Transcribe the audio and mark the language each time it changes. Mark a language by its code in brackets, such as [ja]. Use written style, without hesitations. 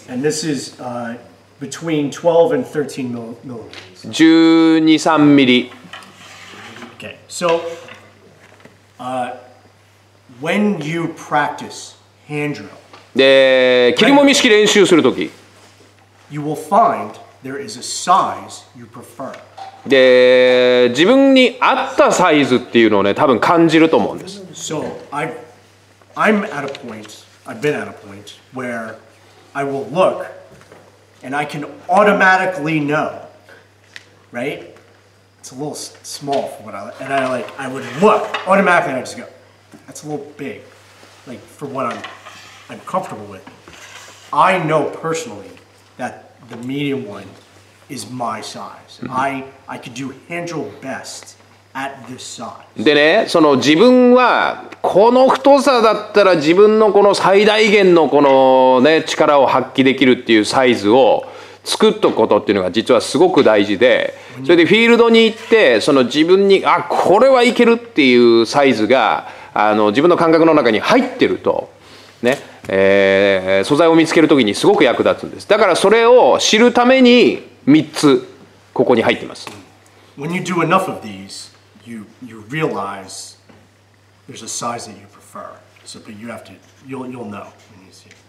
[en] And this is,Between 12 and 13 millimeters. 12, 3 mm. Okay, so when you practice hand drill, [ja] で切りもみ式練習するとき [en] you will find there is a size you prefer. [ja] で自分に合ったサイズっていうのをね、多分感じると思うんです。 [en] So I'm at a point, I've been at a point where I will look. And I can automatically know, right? It's a little small for what I like. And I would look automatically and I just go, that's a little big, like for what I'm comfortable with. I know personally that the medium one is my size. Mm-hmm. I could do hand drill best. [ja] でね、その自分はこの太さだったら自分のこの最大限のこのね力を発揮できるっていうサイズを作っとくことっていうのが実はすごく大事で、それでフィールドに行ってその自分にあこれはいけるっていうサイズが自分の感覚の中に入ってると、ね、素材を見つけるときにすごく役立つんです。だからそれを知るために3つここに入ってます。 [en] When you do enough of these, you realize there's a size that you prefer. So, but you have to, you'll know when you see it.